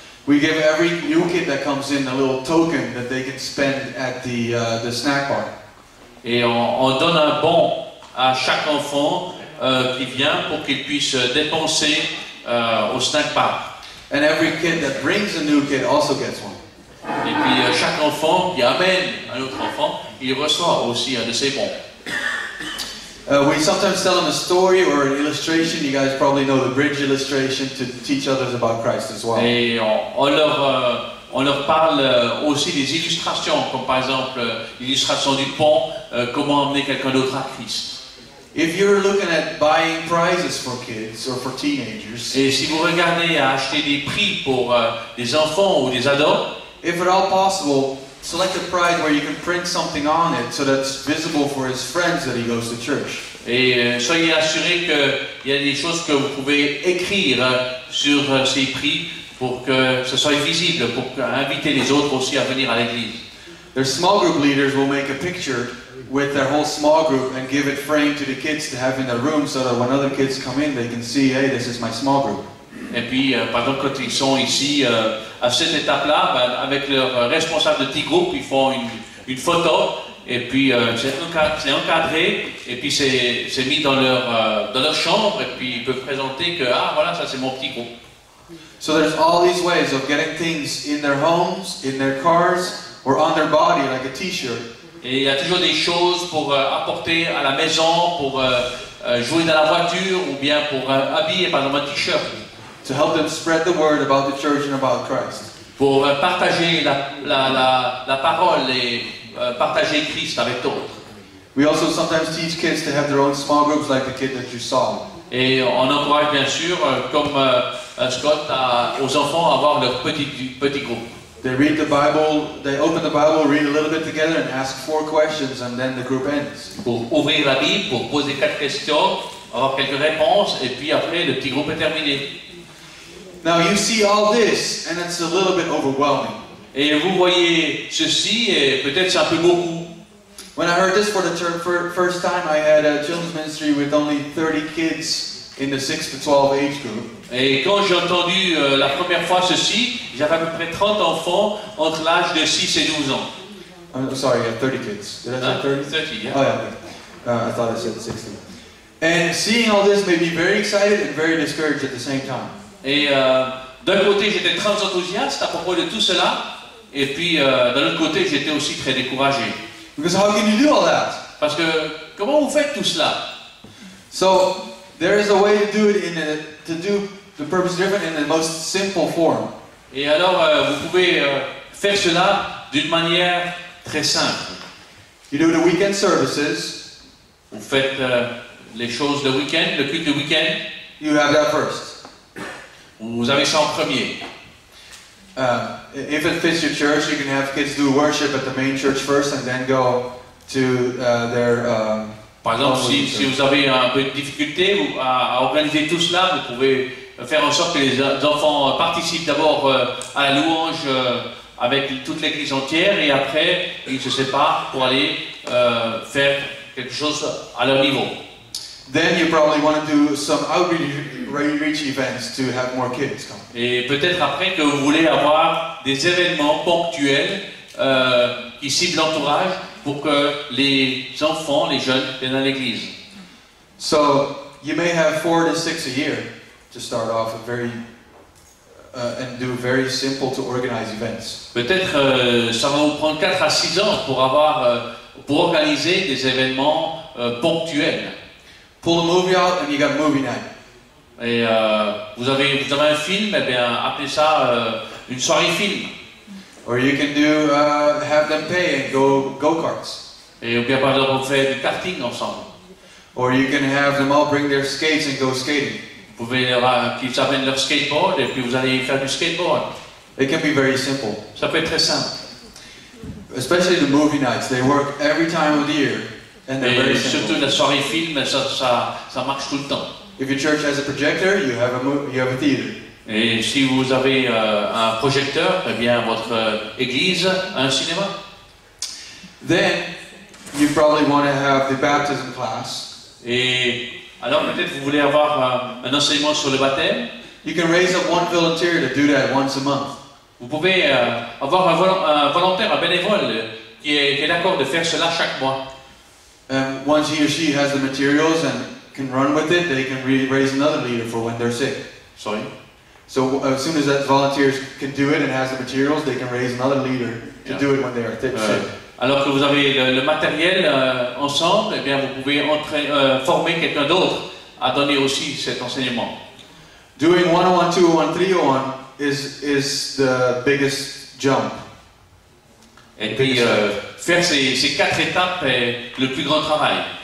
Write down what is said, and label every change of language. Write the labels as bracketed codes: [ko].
[en] We give every new kid that comes in a little token that they can spend at the snack bar. [fr] Et on donne un bon à chaque enfant qui vient pour qu'il puisse dépenser au snack bar. [en] And every kid that brings a new kid also gets one. [fr] Et puis chaque enfant qui amène un autre enfant, il reçoit aussi un de ces bons. [en] We sometimes tell them a story or an illustration. You guys probably know the bridge illustration to teach others about Christ as well. [fr] Et on leur parle aussi des illustrations, comme par exemple l'illustration du pont, comment amener quelqu'un d'autre à Christ. [en] If you're looking at buying prizes for kids or for teenagers, [fr] et si vous regardez à acheter des prix pour des enfants ou des ados, [en] if at all possible, select a prize where you can print something on it so that's visible for his friends that he goes to church. [fr] Et soyez assuré qu'il y a des choses que vous pouvez écrire sur ces prix pour que ce soit visible, pour inviter les autres aussi à venir à l'église. [en] Their small group leaders will make a picture with their whole small group and give it framed to the kids to have in their room so that when other kids come in, they can see, hey, this is my small group. [fr] Et puis, par exemple, quand ils sont ici, à cette étape-là, ben, avec leur responsable de petit groupe, ils font une photo, et puis c'est encadré, et puis c'est mis dans leur chambre, et puis ils peuvent présenter que, ah, voilà, ça c'est mon petit groupe. [en] So there's all these ways of getting things in their homes, in their cars, or on their body, like a t-shirt. [fr] Et il y a toujours des choses pour apporter à la maison, pour jouer dans la voiture, ou bien pour habiller, par exemple, un t-shirt. [en] To help them spread the word about the church and about Christ. [fr] Pour partager la parole et partager Christ avec d'autres. [en] We also sometimes teach kids to have their own small groups, like the kid that you saw. [fr] Et on encourage bien sûr, comme Scott, aux enfants à avoir leur petit groupe. [en] They read the Bible, they open the Bible, read a little bit together and ask four questions and then the group ends. [fr] Pour ouvrir la Bible, pour poser quatre questions, avoir quelques réponses et puis après le petit groupe est terminé. [en] Now you see all this and it's a little bit overwhelming. [fr] Et vous voyez ceci et peut-être c'est un peu beaucoup. [en] When I heard this for the first time, I had a children's ministry with only 30 kids in the 6 to 12 age group. [fr] Et quand j'ai entendu la première fois ceci, j'avais à peu près 30 enfants entre l'âge de 6 et 12 ans. [en] I'm sorry, yeah, 30 kids. Did I say 30? 30, yeah. Oh, yeah. I thought I said 60. And seeing all this made me very excited and very discouraged at the same time. [fr] Et d'un côté, j'étais très enthousiaste à propos de tout cela. Et puis, d'un autre côté, j'étais aussi très découragé. [en] Because how can you do all that? [fr] Parce que, comment vous faites tout cela? [en] So, there is a way to do it in a, to do the purpose driven in the most simple form. [fr] Et alors, vous pouvez faire cela d'une manière très simple. [en] You do the weekend services. [fr] Vous faites les choses de week-end, le culte de week-end. [en] You have that first. [fr] Vous avez ça en premier. [en] If it fits your church, you can have kids do worship at the main church first and then go to their [fr] par exemple, si vous avez un peu de difficulté à organiser tout cela, vous pouvez faire en sorte que les enfants participent d'abord à la louange avec toute l'église entière et après ils se séparent pour aller faire quelque chose à leur niveau. [en] Then you probably want to do some outreach events to have more kids come. [fr] Et peut-être après que vous voulez avoir des événements ponctuels qui ciblent l'entourage pour que les enfants, les jeunes viennent à l'église. [en] So you may have 4 to 6 a year to start off a very and do very simple to organize events. [fr] Peut-être ça va vous prendre 4 à 6 ans pour avoir pour organiser des événements ponctuels. [en] Pull a movie out and you got movie night. [fr] Et vous avez un film, et bien appelez ça une soirée film. [en] Or you can do have them pay and go go-karts. [fr] Et ou bien par exemple on fait du karting ensemble. [en] Or you can have them all bring their skates and go skating. [fr] Vous pouvez leur qu'ils amènent leur skateboard et puis vous allez faire du skateboard. [en] It can be very simple. [fr] Ça peut être très simple. [en] Especially the movie nights, they work every time of the year. And [fr] et [en] very [fr] surtout [en] simple. [fr] La soirée film, ça marche tout le temps. [en] If your church has a projector, you have a theater. [fr] Et si vous avez un projecteur, eh bien votre église a un cinéma. [en] Then you probably want to have the baptism class. [fr] Et alors peut-être vous voulez avoir un enseignement sur le baptême. [en] You can raise up one volunteer to do that once a month. [fr] Vous pouvez avoir un volontaire, un bénévole qui est d'accord de faire cela chaque mois. [en] Once he or she has the materials and can run with it, they can raise another leader for when they're sick. Sorry. So as soon as that volunteers can do it and has the materials, they can raise another leader to do it when they are sick. [fr] Alors que vous avez le matériel ensemble, eh bien vous pouvez former quelqu'un d'autre à donner aussi cet enseignement. [en] Doing 101, 201, 301 is the biggest jump. [fr] Et puis faire ces quatre étapes est le plus grand travail.